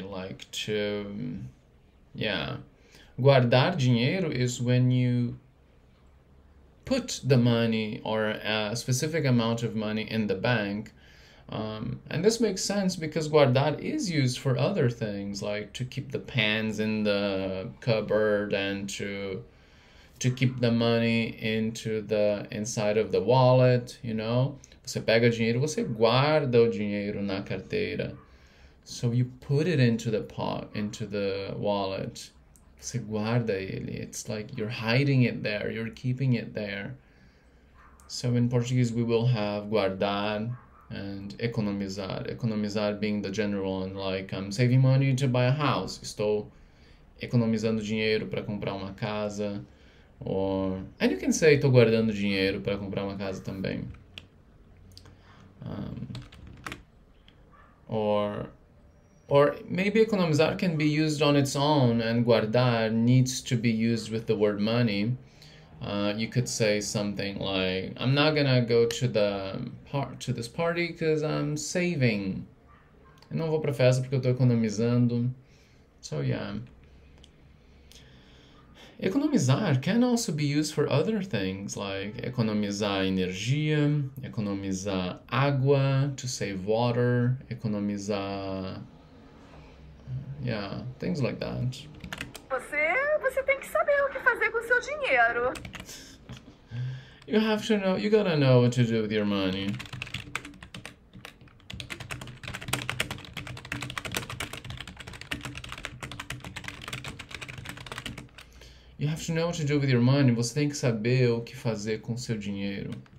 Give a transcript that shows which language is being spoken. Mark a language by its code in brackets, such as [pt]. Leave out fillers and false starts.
[en] Like to... Yeah. [pt] Guardar dinheiro [en] is when you put the money or a specific amount of money in the bank. And this makes sense because guardar is used for other things, like to keep the pens in the cupboard and to keep the money into the inside of the wallet, you know? [pt] Você pega dinheiro, você guarda o dinheiro na carteira. [en] So you put it into the pot, into the wallet. [pt] Você guarda ele. [en] It's like you're hiding it there, you're keeping it there. So in Portuguese, we will have guardar. And economizar. Economizar being the general one, like I'm saving money to buy a house. [pt] Estou economizando dinheiro para comprar uma casa. [en] Or, and you can say, [pt] estou guardando dinheiro para comprar uma casa também. [en] Or maybe economizar can be used on its own and guardar needs to be used with the word money. You could say something like, I'm not gonna go to the to this party because I'm saving. [pt] Eu não vou pra festa porque eu tô economizando. [en] So, yeah. Economizar can also be used for other things, like [pt] economizar energia, economizar água, [en] to save water, economizar... Yeah, things like that. [pt] Você tem que saber o que fazer com o seu dinheiro. [en] You have to know, you gotta know what to do with your money. You have to know what to do with your money. [pt] Você tem que saber o que fazer com o seu dinheiro.